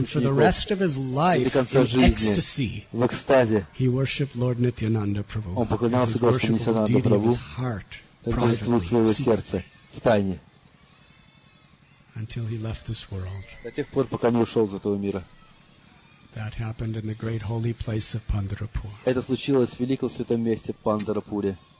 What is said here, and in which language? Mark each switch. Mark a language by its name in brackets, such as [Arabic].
[Russian] учеников. [English] And for the rest of his life, in ecstasy, [Russian] в экстазе, [English] he worshipped Lord Nityananda Prabhu. [Russian] Он поклонялся Господу Нитянанда Прабху. [English] His heart, privately, [Russian] своего сердца, в тайне. [English] Until he left this world. [Russian] До тех пор, пока не ушел из этого мира. [English] That happened in the great holy place of Pandharapur. [Russian] Это случилось в великом святом месте Пандарапуре.